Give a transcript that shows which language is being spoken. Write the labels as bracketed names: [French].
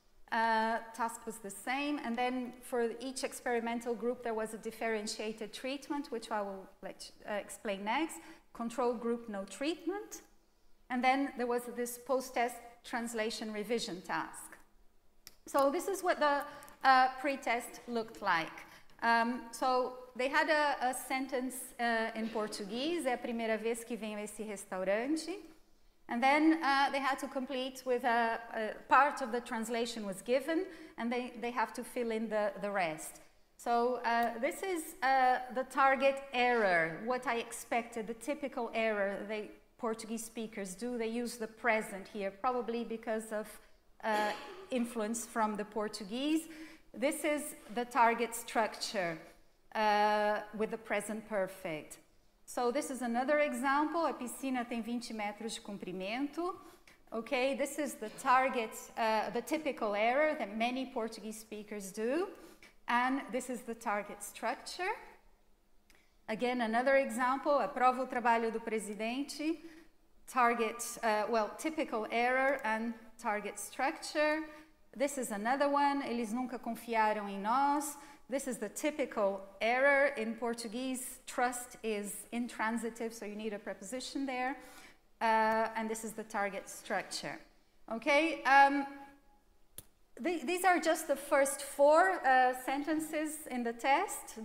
[English] Task was the same, and then for each experimental group there was a differentiated treatment, which I will explain next. Control group, no treatment. And then there was this post-test translation revision task. So this is what the pre-test looked like. So they had a sentence in Portuguese, [Portuguese] é a primeira vez que vem a esse restaurante. [English] And then they had to complete with a part of the translation was given, and they have to fill in the rest. So this is the target error, what I expected, the typical error that Portuguese speakers do. They use the present here, probably because of influence from the Portuguese. This is the target structure with the present perfect. So this is another example. [Portuguese] A piscina tem 20 metros de comprimento. [English] Okay, this is the target, the typical error that many Portuguese speakers do. And this is the target structure. Again, another example. [Portuguese] Aprova o trabalho do presidente. [English] Target, typical error and target structure. This is another one. [Portuguese] Eles nunca confiaram em nós. [English] This is the typical error in Portuguese. Trust is intransitive, so you need a preposition there. And this is the target structure. Okay, these are just the first four sentences in the test.